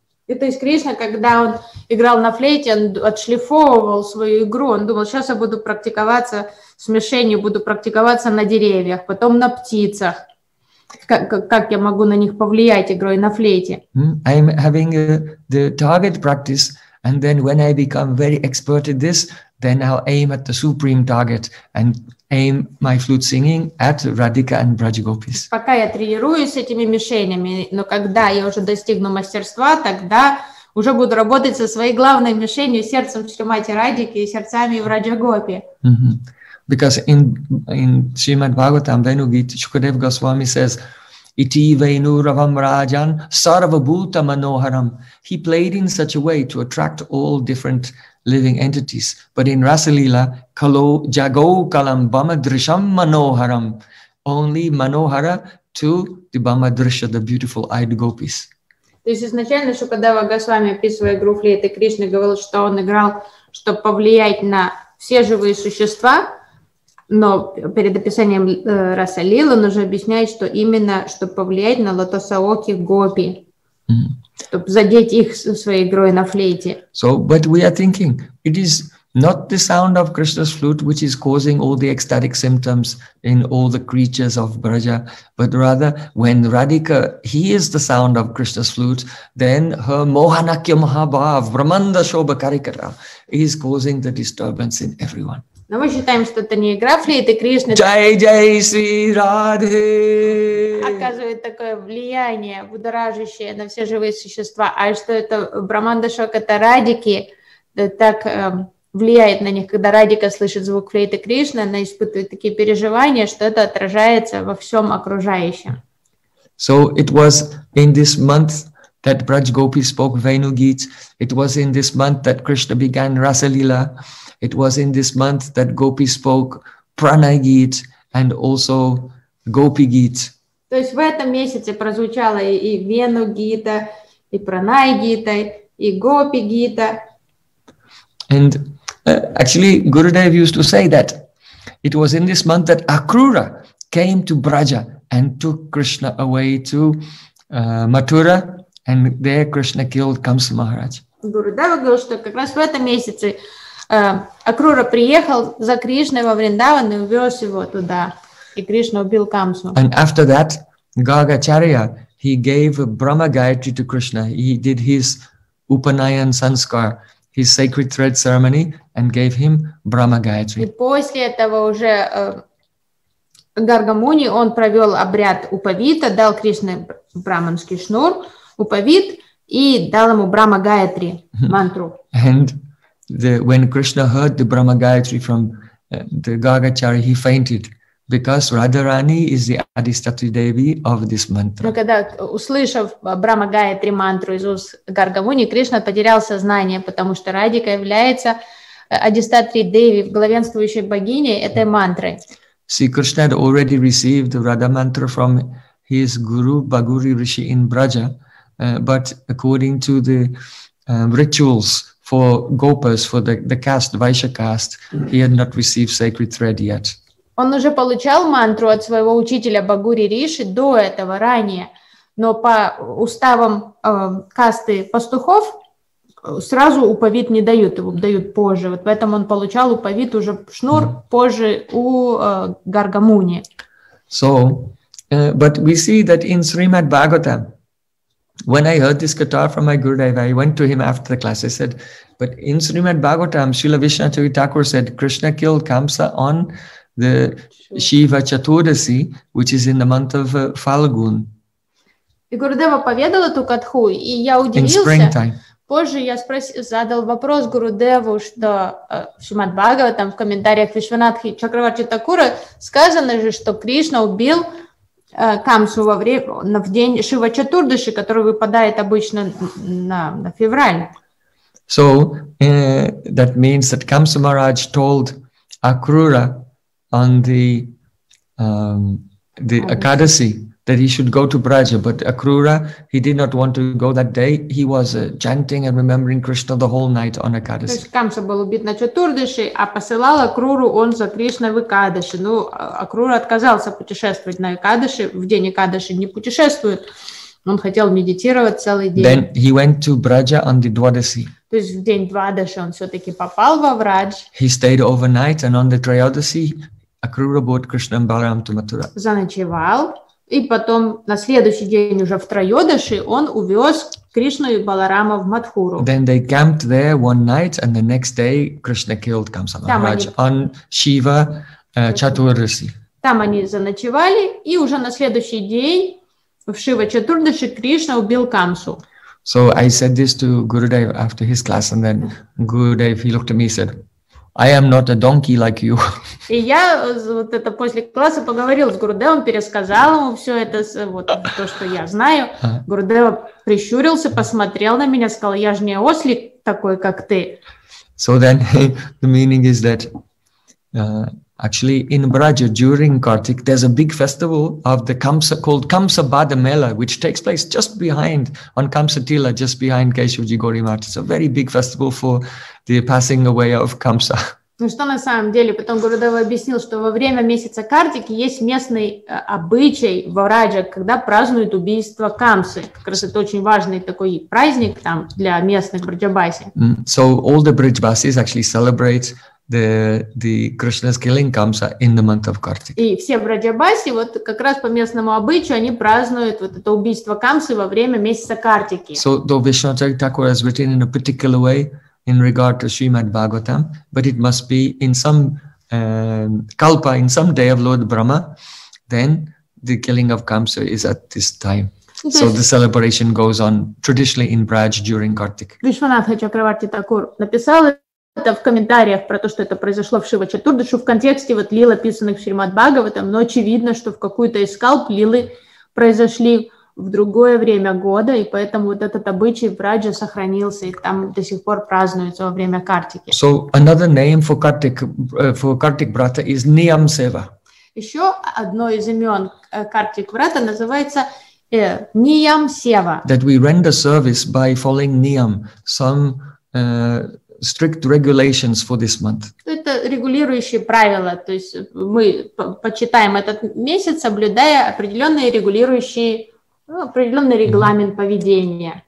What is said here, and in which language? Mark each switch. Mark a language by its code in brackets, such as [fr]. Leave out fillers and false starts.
[ru] И то есть Кришна, когда он играл на флейте, он отшлифовывал свою игру, он думал, сейчас я буду практиковаться с мишенью, буду практиковаться на деревьях, потом на птицах. Как я могу на них повлиять игрой на флейте? [en] I'm having the target practice, and then when I become very expert at this, then I'll aim at the supreme target and aim my flute singing at Radhika and Braj Gopis. [ru] Пока я тренируюсь с этими мишенями, но когда я уже достигну мастерства, тогда уже буду работать со своей главной мишенью, сердцем Шримати Радики и сердцами Враджа Гопи. [en] Because in Srimad Bhagavatam, Venu Gita, Shukadev Goswami says, [sa] Iti Venu Ravam Rajan Sarva Bhuta Manoharam. [en] He played in such a way to attract all different living entities, but in Rasalila, [sa] kalo jago kalam bhamadrisham manoharam, [en] only manohara to the bhamadrisha, the beautiful eyed gopis. [ru] То есть изначально Шукадева Госвами, описывая игру флейты Кришны, говорил, что он играл, чтобы повлиять на все живые существа, но перед описанием Расалилы он уже объясняет, что именно, чтобы повлиять на лотосаоких гопи. Чтобы задеть их своей игрой на флейте. [en] So, but we are thinking, it is not the sound of Krishna's flute which is causing all the ecstatic symptoms in all the creatures of Braja, but rather when Radhika hears the sound of Krishna's flute, then her Mohanakya Mahabhav, Brahmanda Shobhakarikara, is causing the disturbance in everyone. [ru] Но мы считаем, что это не игра флейты Кришны. [hi] Джай Джай Шри Радхе. [ru] Оказывает такое влияние, будоражащее на все живые существа. А что это Брахманда Шок, это Радики, так влияет на них, когда Радика слышит звук флейты Кришны, она испытывает такие переживания, что это отражается во всем окружающем. [en] So it was in this month that Braj Gopi spoke Venu Geet. It was in this month that Krishna began Rasalila. It was in this month that Gopi spoke Pranay Geet and also Gopi Geet. [ru] То есть в этом месяце прозвучало и Вену Гита, и Пранай Гита, и Гопи Гита. [en] And actually, Gurudev used to say that it was in this month that Akrura came to Braja and took Krishna away to Mathura, and there Krishna killed Kamsa Maharaj. [ru] Gurudev говорил, что как раз в этом месяце Акрура приехал за Кришной во Вриндаван и увез его туда, и Кришна убил Камсу. [en] And after that, Гагачарья, he gave Brahma Gayatri to Krishna. He did his Upanayan Sanskar, his sacred thread ceremony, and gave him Brahma Gayatri. [ru] И после этого уже Гаргамуни, он провел обряд Упавита, дал Кришне браманский шнур, Упавит, и дал ему Брахма Гаятри мантру. [en] And when Krishna heard the Brahma Gayatri from the Gagachari, he fainted, because Radharani is the Adhishtatri Devi of this mantra. [ru] Но когда услышав Брахма Гаятри мантру из уст Гаргамуни, Кришна потерял сознание, потому что Радика является Адхистатри Деви, главенствующей богиней этой мантры. [en] See, Krishna had already received the Radha mantra from his guru Baguri Rishi in Braja, but according to the rituals for gopas, for the caste, Vaishya caste, he had not received sacred thread yet. [ru] Он уже получал мантру от своего учителя Багури Риши до этого ранее, но по уставам касты пастухов сразу упавит не дают, его дают позже. Вот поэтому он получал упавит уже шнур позже у Гаргамуни. [en] So, but we see that in Srimad Bhagavatam, when I heard this katha from my Gurudev, I went to him after the class. I said, but in Srimad Bhagavatam, Srila Vishnu Chaitanya Thakur said, Krishna killed Kamsa on the Shiva Chaturdasi, which is in the month of Falgun. [ru] И Гурудева поведал эту катху, и я удивился. [en] In springtime. [ru] Позже я задал вопрос Гурудеву, что в Шримад-Бхагаватам, в комментариях Вишванатхи Чакраварти Такура сказано же, что Кришна убил Камсу во время, в день Шива Чатурдаши, который выпадает обычно на февраль. [en] So, that means that Kamsa Maharaj told Akrura on the Akadasi that he should go to Braja, but Akrura, he did not want to go that day. He was chanting and remembering Krishna the whole night on Akadasi. [ru] То есть Камса был убит на Чатурдаши, а посылал Акруру он за Кришной в Акадаши. Ну, Акрура отказался путешествовать на Акадаши, в день Акадаши не путешествует. Он хотел медитировать целый день. [en] Then he went to Braja on the Dwadasi. [ru] То есть в день Двадаши он все-таки попал во Врадж. [en] He stayed overnight, and on the Trayodasi, Akrura brought Krishna and Balaram to Mathura. [ru] Заночевал. И потом на следующий день уже в Трайодаши он увез Кришну и Баларама в Матхуру. [en] Then they camped there one night, and the next day Krishna killed Kamsa Maharaj on Shiva Chaturdasi. [ru] Там они заночевали, и уже на следующий день в Шива Чатурдаши Кришна убил Камсу. [en] So I said this to Gurudev after his class, and then Gurudev, he looked at me and said, I am not a donkey like you. [ru] И я вот это после класса поговорил с Гурудевом, пересказал ему все это, вот то, что я знаю. Гурудев прищурился, посмотрел на меня, сказал, я же не ослик такой, как ты. [en] So then the meaning is that actually in Braja during Kartik, there's a big festival of the Kamsa called Kamsa Bada Mela, which takes place just behind, on Kamsa Tila, just behind Keshavji Gauri Mart. It's a very big festival for the passing away of Kamsa. [ru] Ну что на самом деле, потом Гурудева объяснил, что во время месяца Картики есть местный обычай в Враджа, когда празднуют убийство Камсы. Как раз это очень важный такой праздник там для местных браджабаси. [en] So all the braджабасис actually celebrate the Krishna's killing Kamsa in the month of Kartik. [ru] И все браджабаси вот как раз по местному обычаю они празднуют вот это убийство Камсы во время месяца Картики. [en] So the Vishnu Chaitanya Thakur has written in a particular way in regard to Srimad Bhagavatam, but it must be in some kalpa, in some day of Lord Brahma, then the killing of Kamsa is at this time. So the celebration goes on traditionally in Braj during Kartik. [ru] Вишванатха Чакраварти Такур написал это в комментариях про то, что это произошло в Шива Чатурдашу в контексте вот лил, описанных в Шримад Бхагаватам, но очевидно, что в какую-то из калп лилы произошли в другое время года, и поэтому вот этот обычай в Раджа сохранился, и там до сих пор празднуется во время Картики. [en] So another name for Kartik Brata is Niyam Seva. [ru] Еще одно из имен Картик-Врата называется Ниям Сева. [en] That we render service by following Ниям, some strict regulations for this month. [ru] Это регулирующие правила, то есть мы почитаем этот месяц, соблюдая определенные регулирующие, определенный регламент поведения.